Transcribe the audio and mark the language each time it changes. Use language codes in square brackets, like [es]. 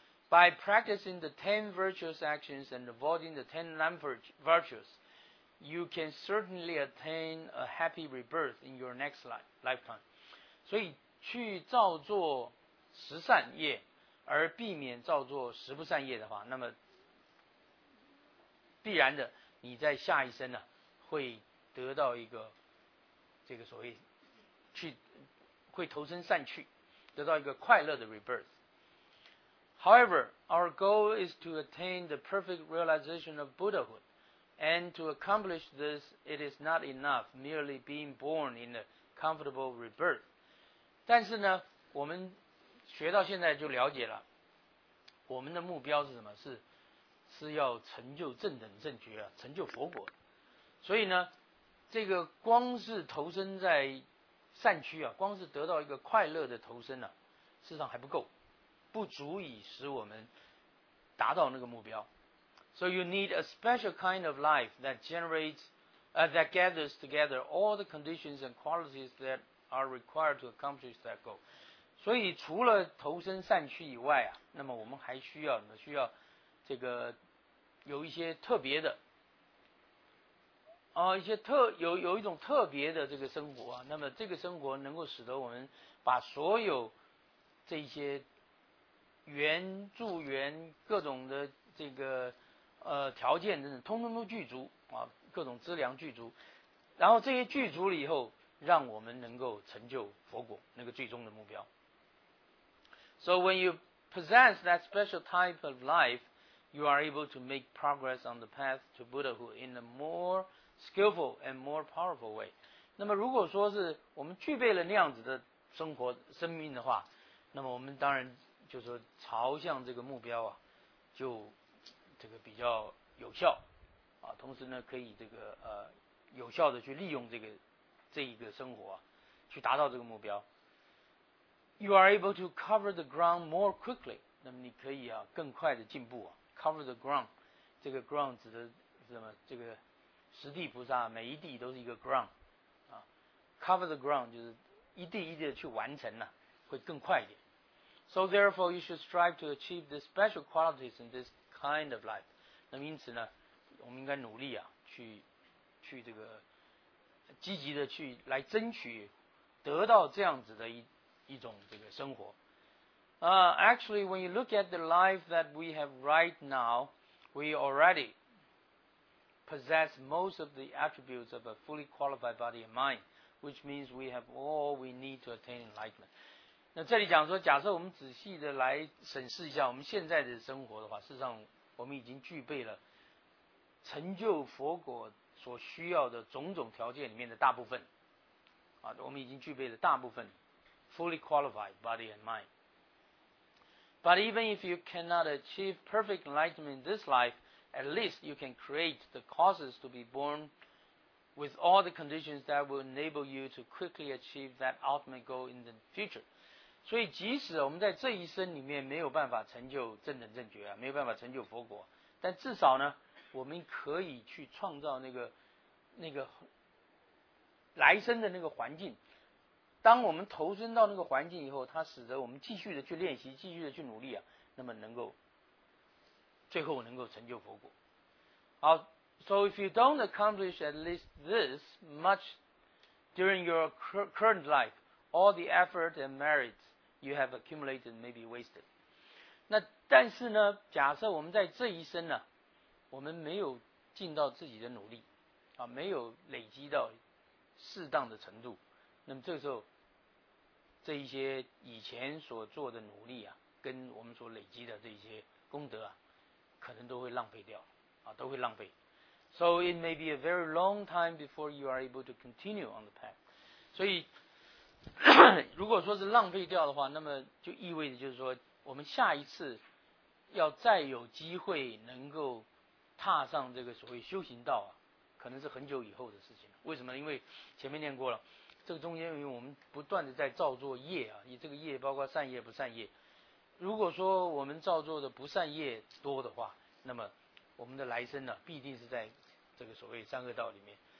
[en] By practicing the 10 virtuous actions and avoiding the 10 non-virtuous, you can certainly attain a happy rebirth in your next lifetime. [zh] 所以去造作十善业而避免造作十不善业的话，那么必然的你在下一生呢会得到一个这个所谓去会投身善趣，得到一个快乐的 rebirth。 [en] However, our goal is to attain the perfect realization of Buddhahood. And to accomplish this, it is not enough merely being born in a comfortable rebirth. [zh] 但是呢，我们学到现在就了解了，我们的目标是什么？是要成就正等正觉啊，成就佛果。所以呢，这个光是投身在善趣啊，光是得到一个快乐的投身啊，事实上还不够。不足以使我们达到那个目标。 [en] So you need a special kind of life that generates, that gathers together all the conditions and qualities that are required to accomplish that goal. [zh] 所以除了投身善趣以外啊，那么我们还需要这个有一些特别的，一些特有一种特别的这个生活啊。那么这个生活能够使得我们把所有这些援助援各种的这个条件等等，通通都具足啊，各种资粮具足，然后这些具足了以后，让我们能够成就佛果，那个最终的目标。 [en] So when you possess that special type of life, you are able to make progress on the path to Buddhahood in a more skillful and more powerful way. [zh] 那么如果说是我们具备了那样子的生活生命的话，那么我们当然。就是说朝向这个目标啊，就这个比较有效啊，同时呢可以这个有效的去利用这一个生活啊，去达到这个目标。 [en] You are able to cover the ground more quickly， [zh] 那么你可以啊更快的进步啊。 [en] Cover the ground， [zh] 这个 ground 指的是什么？这个十地菩萨每一地都是一个 ground 啊 ， [en] cover the ground [zh] 就是一地一地的去完成呢、啊，会更快一点。 [en] So therefore, you should strive to achieve the special qualities in this kind of life. [zh] 那么因此呢，我们应该努力啊，去这个积极的去来争取得到这样子的一种这个生活。 [en] Actually, when you look at the life that we have right now, we already possess most of the attributes of a fully qualified body and mind, which means we have all we need to attain enlightenment. [zh] 那这里讲说，假设我们仔细的来审视一下我们现在的生活的话，事实上我们已经具备了成就佛果所需要的种种条件里面的大部分啊，我们已经具备了大部分 [en] fully qualified body and mind。 But even if you cannot achieve perfect enlightenment in this life, at least you can create the causes to be born with all the conditions that will enable you to quickly achieve that ultimate goal in the future. [zh] 所以即使我们在这一生里面没有办法成就正等正觉啊，没有办法成就佛果，但至少呢，我们可以去创造那个来生的那个环境。当我们投身到那个环境以后，它使得我们继续的去练习，继续的去努力啊，那么能够最后能够成就佛果。 [en] 好 ，So if you don't accomplish at least this much during your current life, all the effort and merits you have accumulated may be wasted. [zh] 那但是呢，假设我们在这一生呢，我们没有尽到自己的努力啊，没有累积到适当的程度。那么这个时候，这一些以前所做的努力啊，跟我们所累积的这一些功德啊，可能都会浪费掉，啊，都会浪费。 So it may be a very long time before you are able to continue on the path. 所以，如果说是浪费掉的话，那么就意味着就是说，我们下一次要再有机会能够踏上这个所谓修行道啊，可能是很久以后的事情。为什么？因为前面念过了。这个中间因为我们不断的在造作业啊，你这个业包括善业不善业，如果说我们造作的不善业多的话，那么我们的来生呢、啊、必定是在这个所谓三恶道里面。